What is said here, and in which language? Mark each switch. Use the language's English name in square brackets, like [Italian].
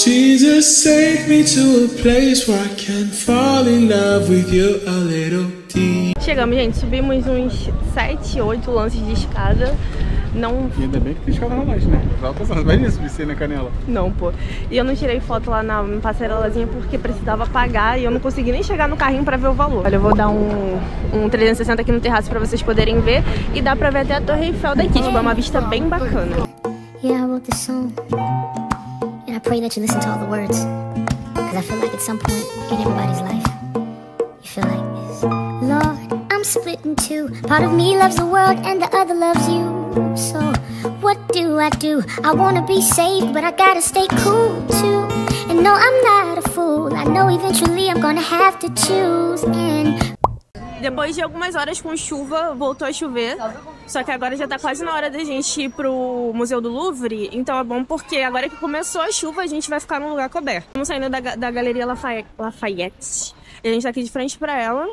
[English] Jesus, take me to a place where I can fall in love with you a little deep. [Portuguese] Chegamos, gente, subimos uns 7, 8 lances de escada. Não... E ainda bem que tem escada na mais, né? Vai nisso, você, né, Canela? Não, pô. E eu não tirei foto lá na passarelazinha porque precisava pagar e eu não consegui nem chegar no carrinho pra ver o valor. Olha, eu vou dar um 360 aqui no terraço pra vocês poderem ver e dá pra ver até a Torre Eiffel daqui. Tipo, é uma vista bem bacana. [English] Yeah, I wrote this song. And I pray that you listen to all the words. Cause I feel like at some point in everybody's life, you feel like this. Lord, I'm split in two. Part of me loves the world and the other loves you. So what do I do? I wanna be saved, but I gotta stay cool too. And no, I'm not a fool. I know eventually I'm gonna have to choose. [Portuguese] And depois de algumas horas com chuva, voltou a chover. Só que agora já tá quase na hora da gente ir pro Museu do Louvre. Então é bom porque agora que começou a chuva, a gente vai ficar num lugar coberto. Estamos saindo da Galeria Lafayette. E a gente tá aqui de frente pra ela.